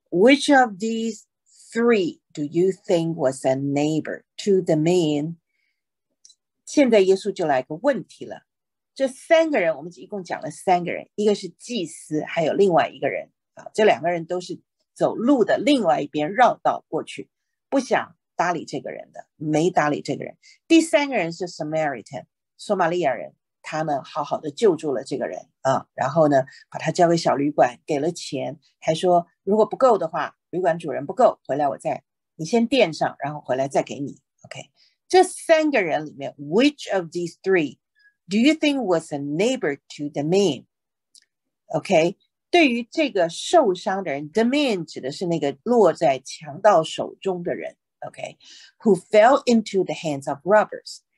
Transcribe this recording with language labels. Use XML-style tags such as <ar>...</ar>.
<en>Which of these three do you think was a neighbor to the man？</en> <zh>现在耶稣就来个问题了，这三个人，我们一共讲了三个人，一个是祭司，还有另外一个人啊，这两个人都是走路的另外一边绕道过去，不想搭理这个人的，没搭理这个人。第三个人是 Samaritan， 索马利亚人，他们好好的救助了这个人啊，然后呢，把他交给小旅馆，给了钱，还说如果不够的话，旅馆主人不够，回来我再，你先垫上，然后回来再给你。 OK， 这三个人里面 ，</zh> <en>which of these three？ Do you think was a neighbor to the man?</en> <zh>OK， 对于这个受伤的人 ，</zh> <en>the man</en> <zh>指的是那个落在强盗手中的人。</zh> <en>OK， who fell into the hands of robbers？</en>